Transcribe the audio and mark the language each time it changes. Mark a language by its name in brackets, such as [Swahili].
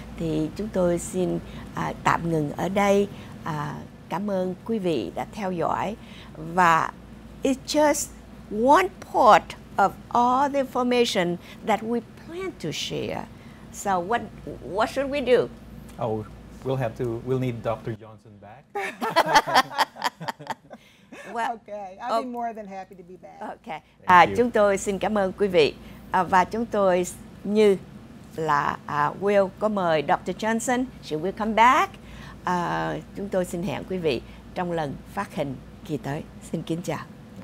[Vietnamese] Thì chúng tôi xin tạm ngừng ở đây. Cảm ơn quý vị đã theo dõi. [English] Và it's just one part of all the information that we plan to share. So what should we do? Oh, we'll need Dr. Johnson back. Well, okay, I'll be more than happy to be back. Okay. [Vietnamese] Chúng tôi xin cảm ơn quý vị. Và chúng tôi như là Will có mời Dr. Johnson, [English] she will come back. [Vietnamese] Chúng tôi xin hẹn quý vị trong lần phát hình kỳ tới. Xin kính chào.